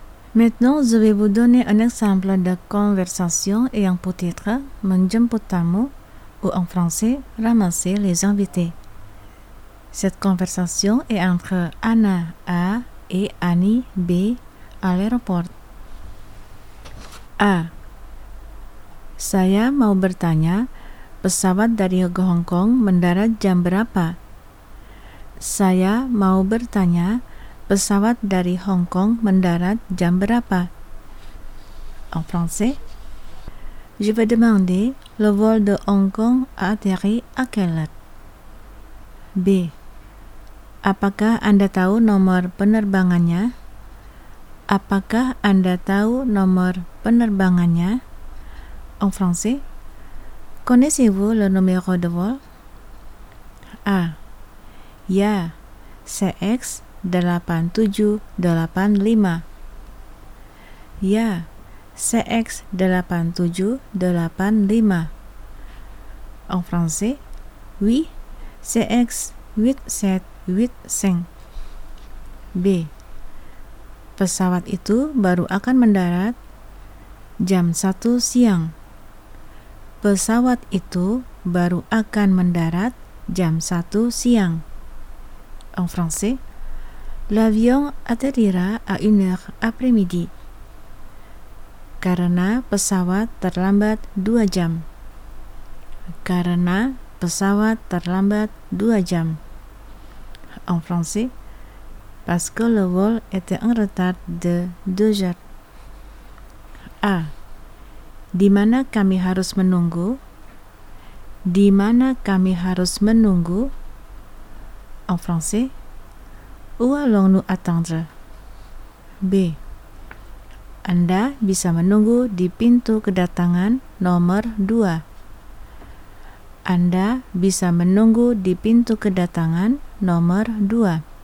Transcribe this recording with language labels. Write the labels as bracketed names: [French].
[French] Maintenant, je vais vous donner un exemple de conversation ayant pour titre menjemput tamu ou en français ramasser les invités. Cette conversation est entre Anna A et Annie B à l'aéroport. A. [Indonesian] Saya mau bertanya, pesawat dari Hong Kong mendarat jam berapa? Saya mau bertanya, pesawat dari Hong Kong mendarat jam berapa? [French] En français. Je vais demander, le vol de Hong Kong a atterri à quelle heure? B. [Indonesian] Apakah Anda tahu nomor penerbangannya? Apakah Anda tahu nomor penerbangannya? [French] En français. Connaissez-vous le numéro de vol? [Indonesian] A. Ya, CX8785. Ya, CX8785. En français. [French] Oui, CX8785. B. [Indonesian] Pesawat itu baru akan mendarat jam 1 siang. Pesawat itu baru akan mendarat jam 1 siang. [French] En français, l'avion atterrira à une heure après-midi. [Indonesian] Karena pesawat terlambat 2 jam. Karena pesawat terlambat 2 jam. [French] En français, parce que le vol était en retard de 2 heures. A. [Indonesian] Di mana kami harus menunggu? Di mana kami harus menunggu? [French] En français, où allons-nous attendre? [Indonesian] B. Anda bisa menunggu di pintu kedatangan nomor 2. Anda bisa menunggu di pintu kedatangan nomor 2.